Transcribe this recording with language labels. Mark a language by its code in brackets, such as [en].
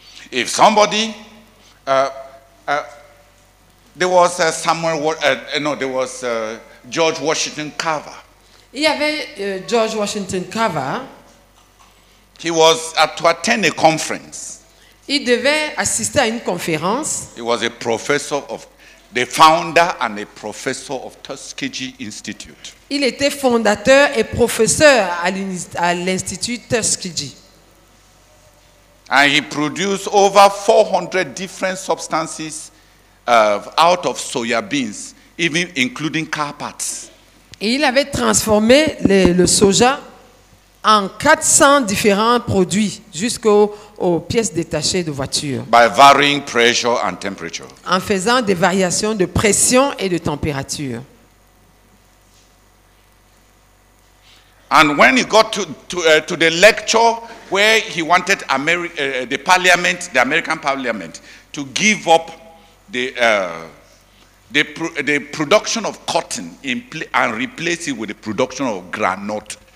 [en] If somebody, George Washington Carver. [fr] Il y avait George Washington Carver. [en] He was to attend a conference. [fr] Il devait assister à une conférence. [en] He was a professor of the founder and a professor of Tuskegee Institute. [fr] Il était fondateur et professeur à l'Institut Tuskegee. [en] And he produced over 400 different substances out of soya beans, even including car parts. [fr] Et il avait transformé le soja en 400 différents produits jusqu'aux pièces détachées de voitures. [en] By varying pressure and temperature. [fr] En faisant des variations de pression et de température. [en] And when he got to the lecture where he wanted the American Parliament to give up the production of cotton and replace it with the production of granite.